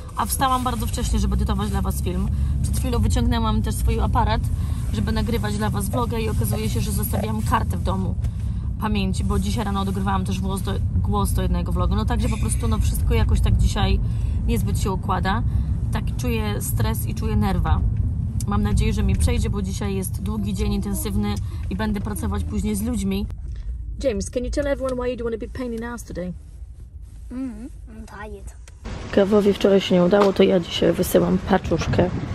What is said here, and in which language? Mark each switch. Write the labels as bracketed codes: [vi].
[pl] A wstałam bardzo wcześnie, żeby edytować dla Was film. Przed chwilą wyciągnęłam też swój aparat, żeby nagrywać dla Was vloga i okazuje się, że zostawiam kartę w domu pamięci, bo dzisiaj rano odgrywałam też głos do jednego vlogu. No także po prostu no, wszystko jakoś tak dzisiaj niezbyt się układa. Tak czuję stres i czuję nerwa. Mam nadzieję, że mi przejdzie, bo dzisiaj jest długi dzień, intensywny i będę pracować później z ludźmi. [en] James, can you tell everyone why you don't want to be pain in the ass today? I'm tired. [pl] Gawowi wczoraj się nie udało, to ja dzisiaj wysyłam paczuszkę.